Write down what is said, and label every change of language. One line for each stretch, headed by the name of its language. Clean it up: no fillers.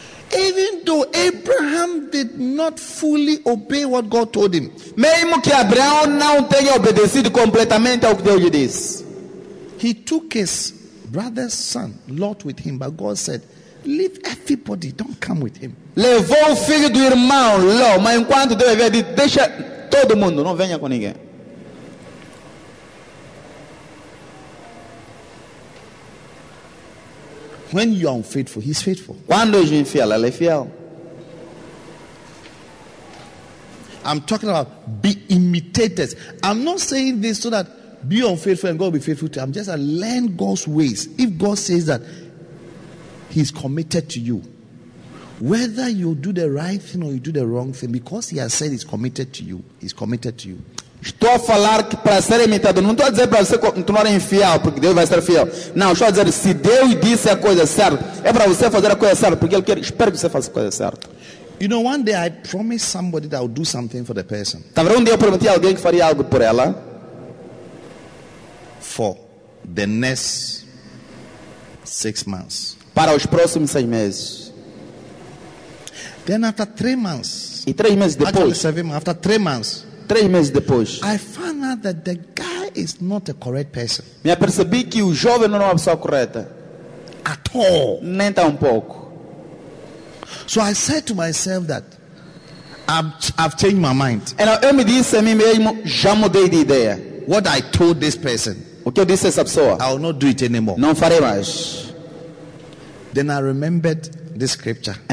English: Even though Abraham did not fully obey what God told him.
Portuguese: Mesmo que Abraão não tenha obedecido completamente ao que Deus lhe disse.
English: He took his brother's son, Lot, with him. But God said, leave everybody, don't come with him.
Portuguese: Levou o filho do irmão, Ló. Mas enquanto Deus havia dito, deixa todo mundo, não venha com ninguém.
English: When you are unfaithful, he's faithful.
Portuguese: Quando eu infiel, ele é fiel.
English: I'm talking about be imitators. I'm not saying this so that be unfaithful and God will be faithful to you. I'm just saying learn God's ways. If God says that he's committed to you, whether you do the right thing or you do the wrong thing, because he has said he's committed to you, he's committed to you.
Portuguese: Estou a falar que para ser imitado, não estou a dizer para você continuar infiel, porque Deus vai ser fiel. Não, estou a dizer, se Deus disse a coisa certa, é para você fazer a coisa certa, porque Ele quer, espero que você faça a coisa certa.
English: You know, one day I promised somebody that I would do something for the person.
Portuguese: Talvez um dia eu prometi a alguém que faria algo por ela.
English: For the next 6 months.
Portuguese: Para os próximos 6 meses.
English: Then after 3 months.
Portuguese: E 3 meses depois.
English: After 3 months.
Portuguese: 3 meses depois,
English: I found out that the guy is not a correct person.
Portuguese: Me apercebi que o jovem não é uma pessoa correta.
English: At all.
Portuguese: Nem tão pouco.
English: So I said to myself that I've changed my mind.
Portuguese: And eu me disse a mim mesmo, já mudei de ideia.
English: What I told this person,
Portuguese: o que eu disse a essa pessoa,
English: I will not do it anymore.
Portuguese: Não farei mais.
English: Then I remembered this scripture.